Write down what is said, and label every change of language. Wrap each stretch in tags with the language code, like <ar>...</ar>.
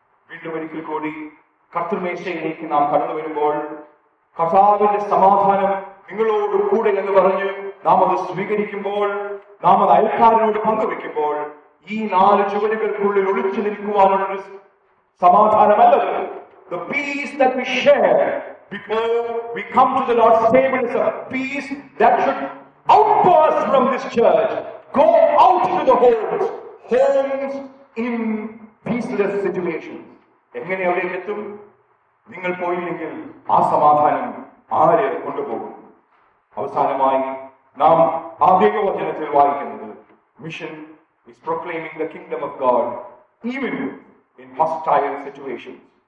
<ml>വീണ്ടും ഒരിക്കൽ കൂടി കർത്തൃമേശയിലേക്ക് നാം കടന്നു വരുമ്പോൾ കർത്താവിന്റെ സമാധാനം നിങ്ങളോട് കൂടെ എന്ന് പറഞ്ഞ് നാം അത് സ്വീകരിക്കുമ്പോൾ, നാം അത് അയൽക്കാരനോട് പങ്കുവെക്കുമ്പോൾ, ഈ നാല് ചുവരുകൾക്കുള്ളിൽ ഒളിച്ചു നിൽക്കുവാനുള്ള ഒരു സമാധാനമല്ല.</ml> <en>The peace that we share before we come to the Lord's table is a peace that should outburst from this church, go out to the homes, homes in peaceless situations.</en> <ml>എങ്ങനെ അവിടേക്ക് എത്തും? നിങ്ങൾ പോയില്ലെങ്കിൽ ആ സമാധാനം ആര് കൊണ്ടുപോകും? അവസാനമായി നാം ആദ്യ വചനത്തിൽ വായിക്കുന്നത്,</ml> <en>Mission is proclaiming the kingdom of God even in hostile situations.</en>